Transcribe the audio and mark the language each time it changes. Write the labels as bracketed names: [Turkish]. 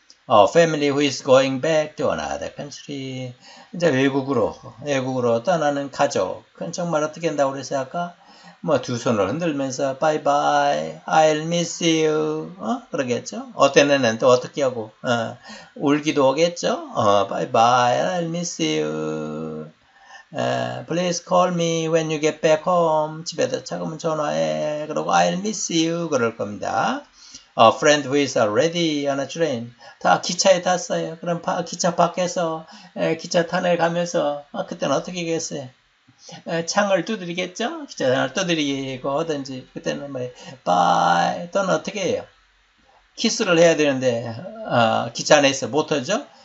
[English] A family who is going back to another country. [Korean] 이제 외국으로 떠나는 가족. 그건 정말 어떻게 한다고 그랬어요, 아까? 뭐, 두 손을 흔들면서, [English] bye bye, I'll miss you. [Korean] 그러겠죠? 어떤 애는 또 어떻게 하고, 울기도 오겠죠? [English] Bye bye, I'll miss you. Please call me when you get back home. [Korean] 집에 도착하면 전화해. 그러고, [English] I'll miss you. [Korean] 그럴 겁니다. [English] A friend who is already on a train. [Korean] 다 기차에 탔어요. 그럼 기차 밖에서 기차 터널 가면서 그때는 어떻게 했어요? 창을 두드리겠죠? 기차 창을 두드리고 하든지 그때는 뭐 바이 또는 어떻게 해요? 키스를 해야 되는데 기차 안에서 못 하죠?